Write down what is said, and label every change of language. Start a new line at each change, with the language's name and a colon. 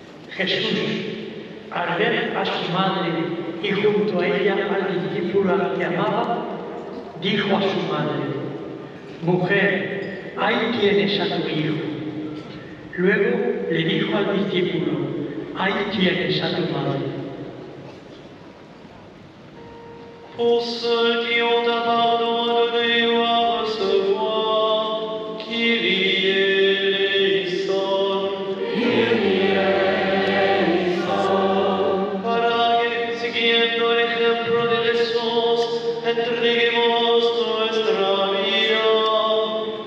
Spanish: Jesús, al ver a su madre y junto a ella al discípulo al que amaba, dijo a su madre: Mujer, ahí tienes a tu hijo. Luego le dijo al discípulo: Ahí tienes a tu madre.
French: Pour ceux qui ont un pardon à donner ou à recevoir,
Greek: Kyrie eleison. Kyrie eleison.
Spanish: Parage exigiendo el ejemplo de Jesús, entreguemos nuestra vida.